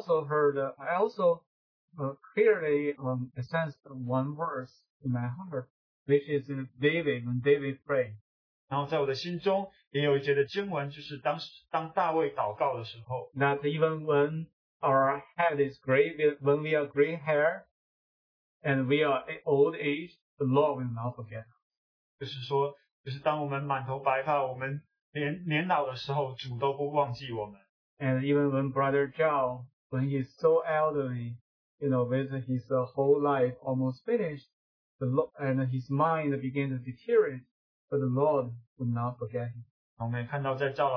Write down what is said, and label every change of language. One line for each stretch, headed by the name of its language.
English: I also clearly sensed one verse in my heart, which is David, when David prayed.
Chinese: 然后在我的心中也有一节的经文，就是当大卫祷告的时候。
English: That even when our head is gray, when we are gray hair, and we are old age, the Lord will not forget.
Chinese: 就是说，就是当我们满头白发，我们年老的时候，主都不忘记我们。
English: And even when Brother Zhao, when he's so elderly, you know, with his whole life almost finished, and his mind began to deteriorate, but the Lord would not forget him.